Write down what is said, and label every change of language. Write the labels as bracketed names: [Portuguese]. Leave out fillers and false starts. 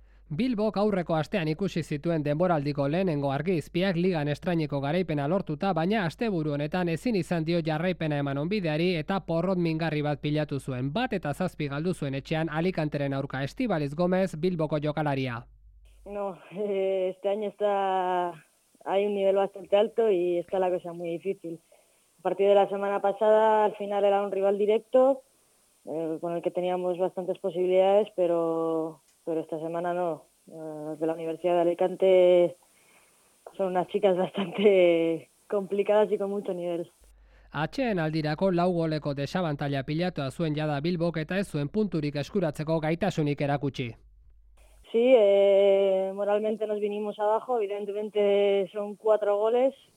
[Basque] Bilbok aurreko astean ikusi zituen denboraldiko lehenengo argi izpiak ligan estraineko garaipena lortuta, baina asteburu honetan ezin izan dio jarraipena eman onbideari eta porrot mingarri bat pilatu zuen. Bat eta zazpi galdu zuen etxean Alicanteren aurka Estibaliz Gomez Bilboko jokalaria. [Spanish] No, este año está hay un nivel bastante alto y está la cosa muy difícil. A partir de la semana pasada al final era un rival directo con el que teníamos bastantes posibilidades, pero esta semana no. Las de la Universidad de Alicante son unas chicas bastante complicadas y con mucho nivel. [Basque] Atxeen aldirako lau goleko desabantalla pilatua zuen jada Bilbok eta ez zuen punturik eskuratzeko gaitasunik erakutsi. [Spanish] Sí, moralmente nos vinimos abajo, evidentemente son cuatro goles.